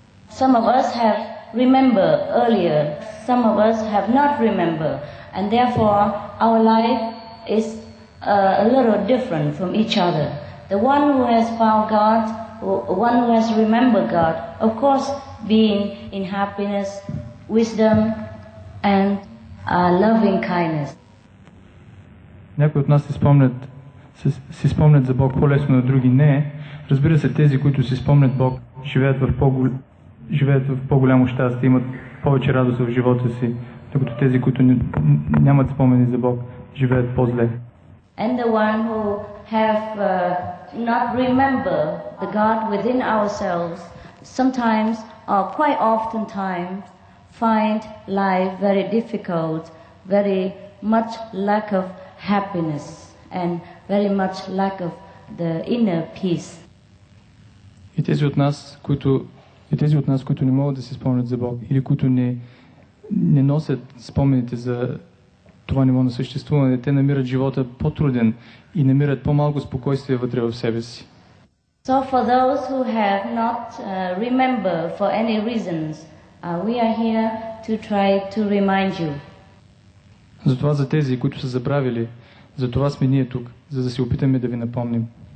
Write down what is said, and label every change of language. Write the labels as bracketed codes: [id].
[en] Some of us have remembered earlier, some of us have not remembered, and therefore our life is a little different from each other. The one who has found God, one who has remembered God, of course being in happiness, wisdom and loving kindness. [bg] Някои от нас си спомнят за Бог по-лесно, на други не. Разбира се, тези, които си спомнят Бог, живеят в по-голямо щастие, имат повече радост в живота си, докато тези, които нямат спомени за Бог, живеят по-зле. [en] And the one who have not remember the God within ourselves, sometimes or quite often times find life very difficult, very much lack of happiness and very much lack of the inner peace. [bg] И тези от нас, които не могат да се спомнят за Бог, или които не носят спомените за това ниво на съществуване, те намират живота по-труден и намират по-малко спокойствие вътре в себе си. [en] So for those who have not remember for any reasons, we are here to try to remind you. [bg] Затова за тези, които са забравили, затова сме ние тук, за да се опитаме да ви напомним.